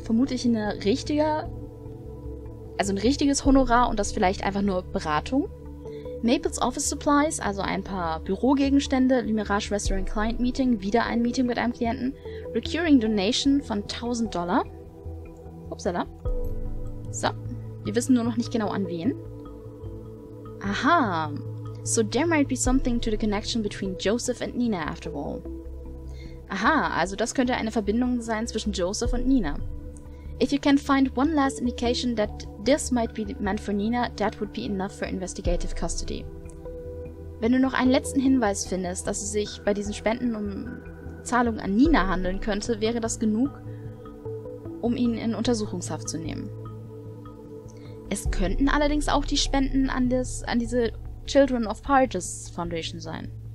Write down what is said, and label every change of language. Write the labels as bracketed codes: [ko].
[de] Vermutlich ein richtiges Honorar und das vielleicht einfach nur Beratung. Maples Office Supplies, also ein paar Bürogegenstände. Le Mirage Restaurant Client Meeting, wieder ein Meeting mit einem Klienten. Recurring Donation von $1000. Upsala. So, wir wissen nur noch nicht genau an wen. Aha. [en] So there might be something to the connection between Joseph and Nina after all. [de] Aha, also das könnte eine Verbindung sein zwischen Joseph und Nina. [en] If you can find one last indication that this might be meant for Nina, that would be enough for investigative custody. [de] Wenn du noch einen letzten Hinweis findest, dass es sich bei diesen Spenden um Zahlungen an Nina handeln könnte, wäre das genug, um ihn in Untersuchungshaft zu nehmen. Es könnten allerdings auch die Spenden an diese Children of Pirates Foundation sein.